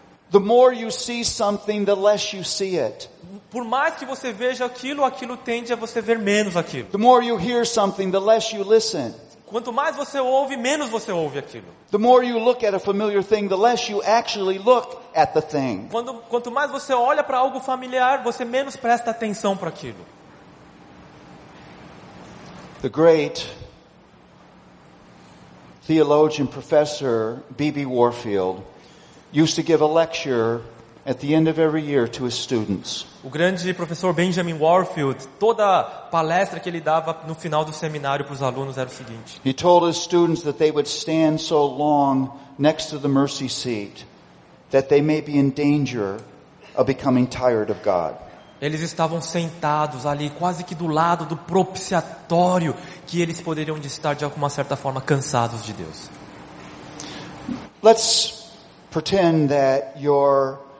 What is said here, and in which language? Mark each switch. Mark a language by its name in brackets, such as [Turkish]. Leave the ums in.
[English] The more you see something, the less you see it. [Portuguese] Por mais que você veja aquilo, aquilo tende a você ver menos aquilo. [English] The more you hear something, the less you listen [Portuguese] quanto mais você ouve, menos você ouve aquilo. [English] The more you look at a familiar thing, the less you actually look at the thing. [Portuguese] Quando, quanto mais você olha para algo familiar, você menos presta atenção para aquilo. [English] The great theologian professor B.B. Warfield used to give a lecture at the end of every year to his students. [Portuguese] O grande professor Benjamin Warfield, toda palestra que ele dava no final do seminário para os alunos era o seguinte. [English] Ele told his students that they would stand so long next to the mercy seat that they may be in danger of becoming tired of God. [Portuguese] Eles estavam sentados ali quase que do lado do propiciatório que eles poderiam estar de alguma certa forma cansados de Deus. [English] Let's pretend that you're